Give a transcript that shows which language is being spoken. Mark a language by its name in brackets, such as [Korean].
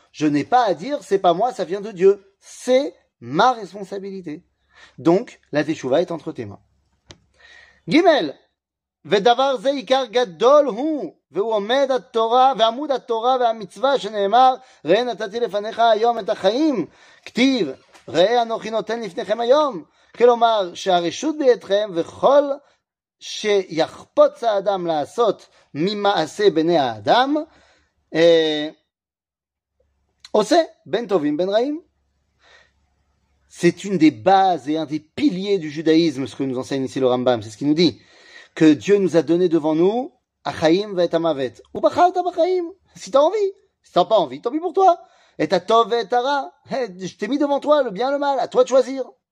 [French] Je n'ai pas à dire, c'est pas moi, ça vient de Dieu. C'est ma responsabilité. Donc, la teshuva est entre tes mains. [Hebrew] Gimel, ודבר זה עיקר גדול הוא, והוא עומד התורה, ועמוד התורה והמצווה שנאמר, ראה נתתי לפניך היום את החיים, כתיב, ראה אנוכי נותן לפניכם היום, כלומר שהרשות בידכם וכל שיחפוץ האדם לעשות ממעשה בני האדם עושה בין טובים בין רעים. [French] C'est une des bases et un des piliers du judaïsme, ce que nous enseigne ici le Rambam, c'est ce qu'il nous dit, que Dieu nous a donné devant nous [Hebrew] achaim v'et amavet ou bachal t'abachaim, [French] si t'as envie, si t'as pas envie, tant pis pour toi, et t'as [Hebrew] tov v'et ara, [French] je t'ai mis devant toi le bien et le mal, à toi de choisir.